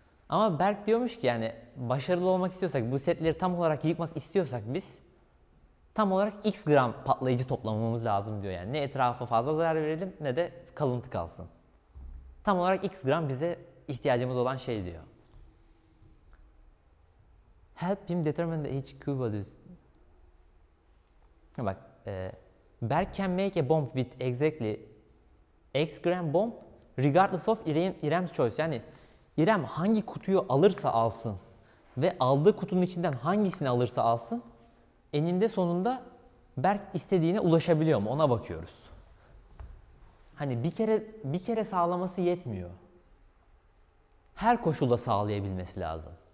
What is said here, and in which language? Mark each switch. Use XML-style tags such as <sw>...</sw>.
<tr>Ama Berk diyormuş ki yani başarılı olmak istiyorsak, bu setleri tam olarak yıkmak istiyorsak biz tam olarak x gram patlayıcı toplamamız lazım diyor yani. Ne etrafa fazla zarar verelim ne de kalıntı kalsın. Tam olarak x gram bize ihtiyacımız olan şey diyor.</tr> <en>Help him determine the HQ values. Bak, Berk can make a bomb with exactly x gram bomb regardless of Irem's choice.</en> <tr>Yani İrem hangi kutuyu alırsa alsın ve aldığı kutunun içinden hangisini alırsa alsın, eninde sonunda Berk istediğine ulaşabiliyor mu, ona bakıyoruz. Hani bir kere sağlaması yetmiyor. Her koşulda sağlayabilmesi lazım.</tr>